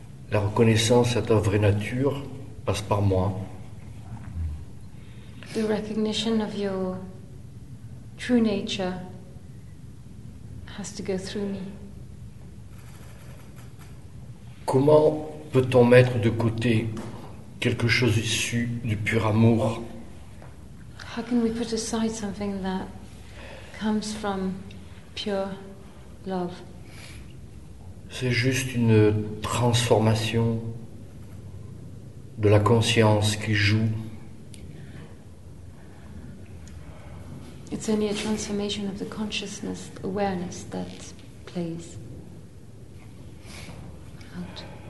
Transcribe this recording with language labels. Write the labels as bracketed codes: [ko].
[fr] La reconnaissance à ta vraie nature passe par moi. [en] The recognition of your true nature has to go through me. [fr] Comment peut-on mettre de côté quelque chose issu du pur amour? [en] How can we put aside something that comes from pure love? [fr] C'est juste une transformation de la conscience qui joue. [en] It's only a transformation of the consciousness, awareness that plays out.